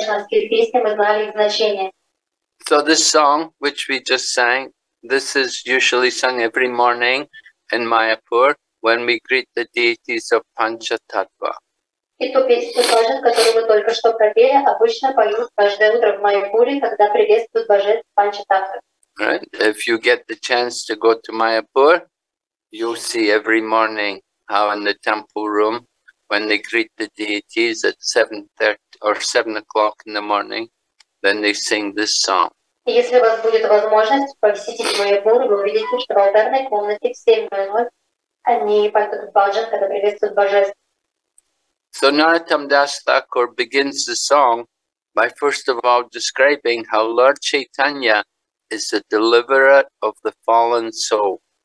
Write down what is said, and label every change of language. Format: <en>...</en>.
<en>So this song which we just sang, this is usually sung every morning in Mayapur when we greet the deities of Panchatattva.</en> <ru>И ту песню Бажан, которую вы только что пропели, обычно поют каждое утро в Майяпуре, когда приветствуют божеств Панчататвы.</ru> <en>Right. If you get the chance to go to Mayapur, you'll see every morning how in the temple room, when they greet the deities at 7:30 or 7 o'clock in the morning, then they sing this song.</en> <ru>Если у вас будет возможность посетить Майяпур, вы увидите, что в алтарной комнате в 7:00 они поют Бажан, когда приветствуют божеств.</ru> <en>So Narottam Das Thakur begins the song by first of all describing how Lord Chaitanya is the deliverer of the fallen souls.</en>